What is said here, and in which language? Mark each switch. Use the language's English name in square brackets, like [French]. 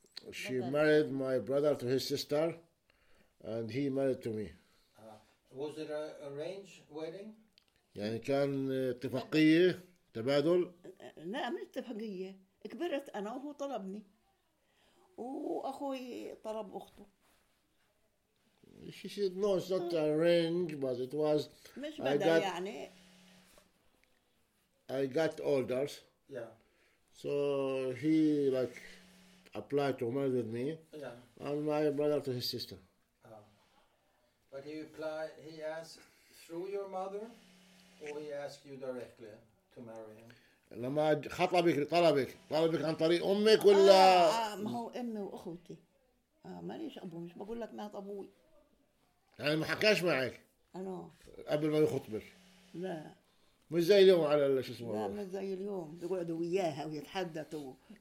[English] She married my brother to his sister, and he married to me. Was it an arranged wedding? [Arabic] يعني كان اتفاقية تبادل. لا مش اتفاقية. كبرت أنا وهو طلبني وأخوي طلب أخته. [English] She said no, it's not arranged, but it was. [Arabic] مش بدأ يعني. [English] I got older. Yeah. So he like. Applied to marry with me, yeah. And my brother to his sister. But he asked through your mother, or he asked you directly to marry him. [Arabic] لما خطبك طلبك عن طريق أمك ولا؟ ما هو أمي وأخوتي. ما ليش أبوي مش بقول لك ما أبوي. يعني ما حكاش معك. أنا. قبل ما يخطبك. لا. مش زي اليوم على ال شو اسمه لا مش زي اليوم يقعدوا وياها ويتحدثوا